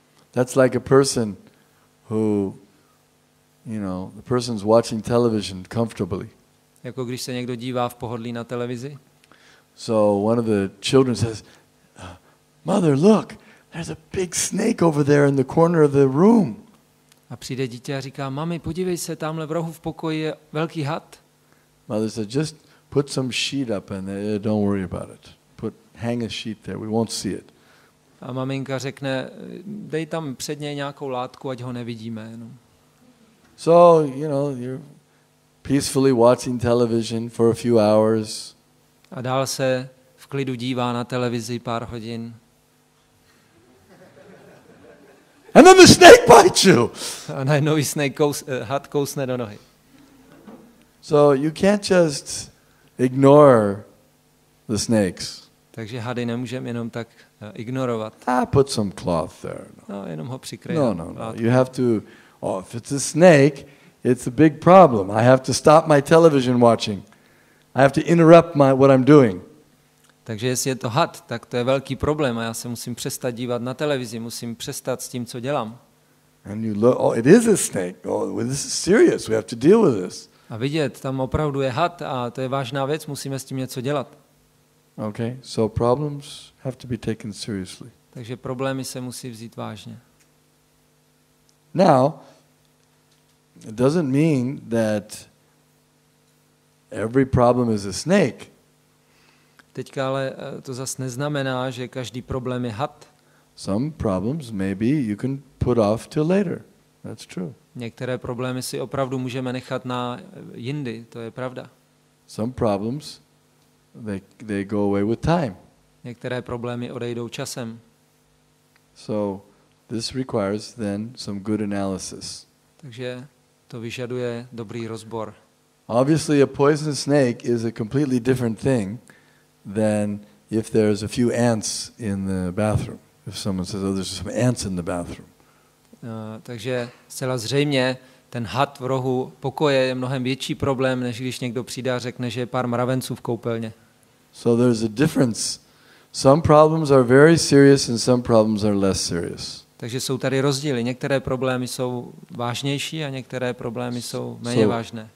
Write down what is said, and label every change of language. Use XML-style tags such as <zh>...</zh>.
<en>That's like a person who, you know, the person's watching television comfortably.</en> <cs>Jako když se někdo dívá v pohodlí na televizi.</cs> <en>So one of the children says, "Mother, look, there's a big snake over there in the corner of the room."</en> <cs>A přijde dítě a říká, mami, podívej se, tamhle v rohu v pokoji je velký had.</cs> <en>Mother said, "Just put some sheet up and don't worry about it. Hang a sheet there. We won't see it."</en> <cs>A maminka řekne, dej tam předně nějakou látku, ať ho nevidíme jenom.</cs> <en>So, you know, you're peacefully watching television for a few hours.</en> <cs>A dál se v klidu dívá na televizi pár hodin.</cs> <en>And then the snake bites you.</en> <cs>A najednou snake had kousne do nohy.</cs> <en>So you can't just ignore the snakes.</en> <cs>Takže hady nemůžeme jenom tak ignorovat.</cs> <en>Ah, put some cloth there.</en> <cs>No, jenom ho přikryj. No. Látku.</cs> <en>You have to. Oh, if it's a snake, it's a big problem. I have to stop my television watching. I have to interrupt my what I'm doing.</en> <cs>Takže jestli je to had, tak to je velký problém a já se musím přestat dívat na televizi, musím přestat s tím, co dělám.</cs> <en>And you look. Oh, it is a snake. Oh, this is serious. We have to deal with this.</en> <cs>A vidět, tam opravdu je had a to je vážná věc. Musíme s tím něco dělat.</cs> <en>Okay, so problems have to be taken seriously.</en> <cs>Takže problémy se musí vzít vážně.</cs> <en>Now, it doesn't mean that every problem is a snake.</en> <cs>Teďka ale to zas neznamená, že každý problém je had.</cs> <en>Some problems maybe you can put off till later. That's true.</en> <cs>Některé problémy si opravdu můžeme nechat na jindy, to je pravda.</cs> <en>Some problems They go away with time.</en> <cs>Některé problémy odejdou časem.</cs> <en>So this requires then some good analysis.</en> <cs>Takže to vyžaduje dobrý rozbor.</cs> <en>Obviously a poisonous snake is a completely different thing than if there's a few ants in the bathroom. If someone says, "Oh, there's some ants in the bathroom."</en> <cs>Takže zcela zřejmě ten had v rohu pokoje je mnohem větší problém, než když někdo přijde a řekne, že je pár mravenců v koupelně.</cs> <en>So there's a difference. Some problems are very serious and some problems are less serious.</en> <cs>Takže jsou tady rozdíly. Některé problémy jsou vážnější a některé problémy jsou méně vážné.</cs>